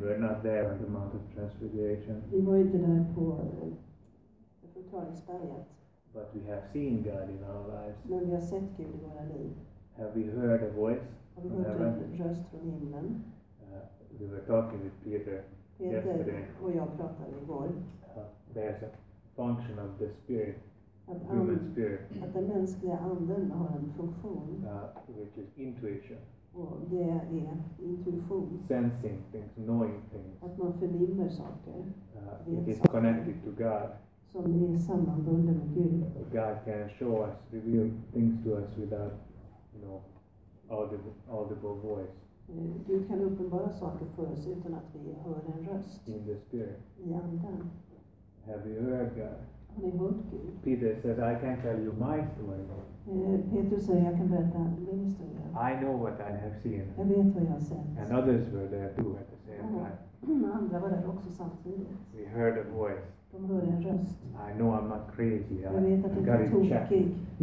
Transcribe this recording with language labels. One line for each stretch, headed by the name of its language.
English: We were not there on the Mount of Transfiguration.
Swedish: Vi var inte där på Förklaringsberget.
English: But we have seen God in our lives.
Swedish: Men vi har sett Gud i våra liv.
English: Have we heard a voice?
Swedish: Har vi hört en röst från himlen?
English: We were talking with Peter
Swedish: och jag pratade igår.
English: There's a function of the spirit, human spirit.
Swedish: Att den mänskliga anden har en funktion.
English: Which is intuition.
Swedish: Och det är intuition.
English: Sensing things, knowing things.
Swedish: Att man förnimmer saker.
English: It is connected to God.
Swedish: Som det är sammanbundet med Gud.
English: God can show us, reveal things to us without, you know, audible voice.
Swedish: Gud kan uppenbara saker för oss utan att vi hör en röst.
English: In the spirit.
Swedish: I anden.
English: Have you heard God?
Swedish: Har ni hört Gud?
English: Peter says, I can tell you my story.
Swedish: Petrus säger, jag kan berätta min historia.
English: I know what I have seen.
Swedish: Jag vet vad jag har sett.
English: And others were there too at the same time.
Swedish: Andra var där också samtidigt.
English: We heard a voice.
Swedish: De hörde en röst.
English: I know I'm not crazy.
Swedish: Jag vet att jag inte tog kik.